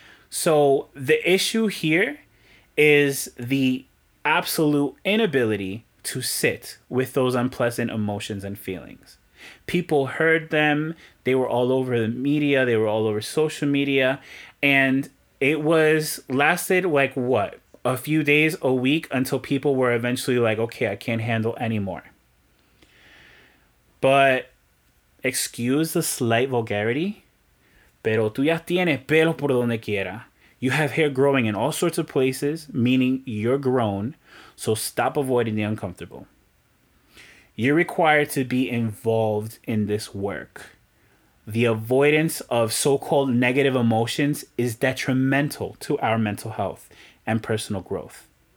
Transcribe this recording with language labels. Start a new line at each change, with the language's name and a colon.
English: So the issue here is the absolute inability to sit with those unpleasant emotions and feelings. People heard them. They were all over the media. They were all over social media. And it lasted like what? A few days, a week, until people were eventually like, okay, I can't handle anymore. But excuse the slight vulgarity,
Spanish: pero tú ya tienes pelo por donde quiera.
English: You have hair growing in all sorts of places, meaning you're grown, so stop avoiding the uncomfortable. You're required to be involved in this work. The avoidance of so-called negative emotions is detrimental to our mental health and personal growth.